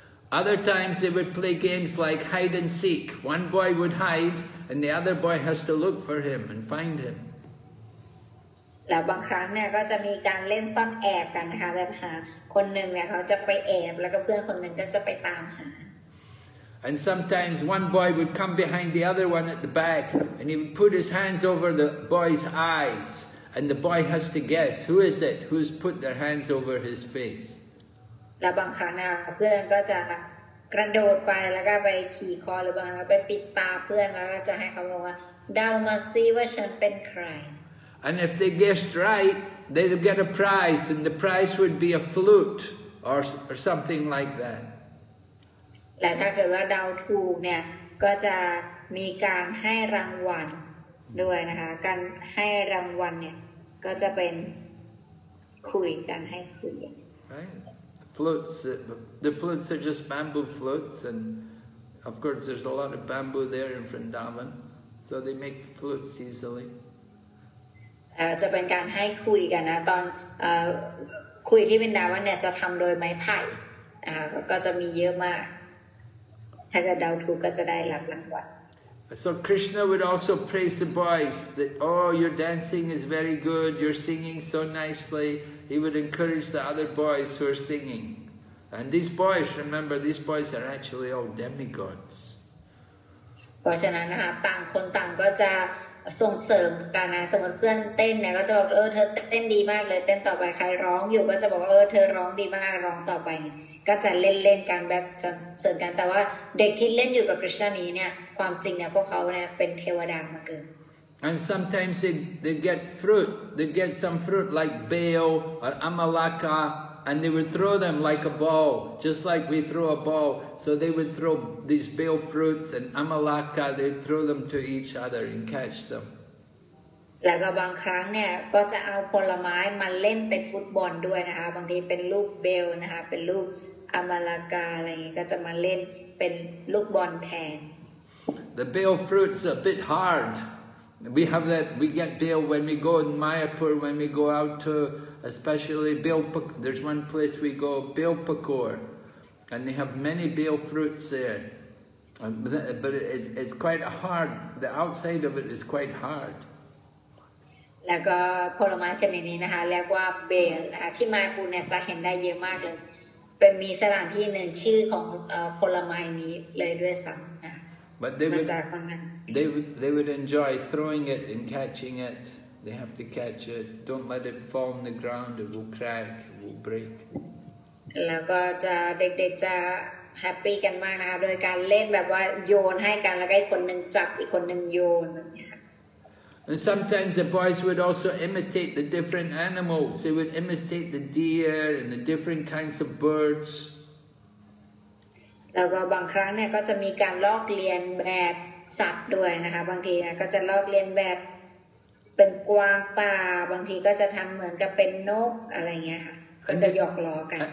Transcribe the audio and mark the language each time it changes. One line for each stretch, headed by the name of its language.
English: Other times they would play games like hide and seek. One boy would hide, and the other boy has to look for him and find him.
Thai: แล้วบางครั้งเนี่ยก็จะมีการเล่นซ่อนแอบกันนะคะแบบหาคนหนึ่งเนี่ยเขาจะไปแอบแล้วก็เพื่อนคนหนึ่งก็จะไปตามหา
English: And sometimes one boy would come behind the other one at the back and he would put his hands over the boy's eyes and the boy has to guess who is it who's put their hands over his face
Thai: แล้วบางครั้งเนี่ยเพื่อนก็จะกระโดดไปแล้วก็ไปขี่คอหรือบางครั้งไปปิดตาเพื่อนแล้วก็จะให้เขาบอกว่าเดามาซิว่าฉันเป็นใคร
English: And if they guessed right, they'd get a prize, and the prize would be a flute or something like that.
Thai: และถ้าเกิดว่าเดาถูกเนี่ยก็จะมีการให้รางวัลด้วยนะคะการให้รางวัลเนี่ยก็จะเป็นคุยกันให้คุย
English: Flutes, the flutes are just bamboo flutes, and of course there's a lot of bamboo there in Vrindavan, so they make flutes easily.
Thai: จะเป็นการให้คุยกันนะตอนคุยที่วรินดาวันเนี่ยจะทำโดยไม้ไผ่ก็จะมีเยอะมากถ้าเกิดเดาถูกก็จะได้รับรางวัล
English: So Krishna would also praise the boys that, oh, your dancing is very good, you're singing so nicely. He would encourage the other boys who are singing. And these boys, remember, these boys are actually all demigods.
Thai: เพราะฉะนั้นนะคะต่างคนต่างก็จะส่งเสริมกันนะสมมติเพื่อนเต้นเนี่ยก็จะบอกเธอเต้นดีมากเลยเต้นต่อไปใครร้องอยู่ก็จะบอกเธอร้องดีมากร้องต่อไปก็จะเล่นๆกันแบบส่งเสริมกันแต่ว่าเด็กที่เล่นอยู่กับคริสต์นี้เนี่ยความจริงเนี่ยพวกเขาเนี่ยเป็นเทวดามาเกิด
English: And sometimes they get fruit they get some fruit like bayo or amalaka and they would throw them like a ball just like we throw a ball so they would throw these bayo fruits and amalaka they would throw them to each other and catch them
Thai: แล้วก็บางครั้งเนี่ยก็จะเอาผลไม้มาเล่นเป็นฟุตบอลด้วยนะคะบางทีเป็นลูกเบลนะคะเป็นลูกอามาลากาอะไรอย่างงี้ก็จะมาเล่นเป็นลูกบอลแทน
English: The bayo fruits are a bit hard we have that we get bayo when we go in Mayapur when we go out to especially Belpak there's one place we go Belpakor and they have many bayo fruits there but it's quite hard the outside of it is quite hard
Thai: แล้วก็ผลไม้ชนิดนี้นะคะเรียกว่าเบลนะคะที่มาปูเนี่ยจะเห็นได้เยอะมากเลยเป็นมีสถานที่หนึ่งชื่อของผลไม้นี้เลยด้วยซ้ำนะมาจากคนนั้น
English: they would enjoy throwing it and catching it they have to catch it don't let it fall on the ground it will crack it will break
Thai: แล้วก็จะเด็กๆจะแฮปปี้กันมากนะคะโดยการเล่นแบบว่าโยนให้กันแล้วก็อีกคนหนึ่งจับอีกคนหนึ่งโยน
English: And sometimes the boys would also imitate the different animals. They would imitate the deer and the different kinds of birds.
Thai: แล้วก็บางครั้งเนี่ยก็จะมีการลอกเลียนแบบสัตว์ด้วยนะคะบางทีก็จะลอกเลียนแบบเป็นกวางป่าบางทีก็จะทำเหมือนกับเป็นนกอะไรเงี้ยค่ะก็จะหยอกล้อกัน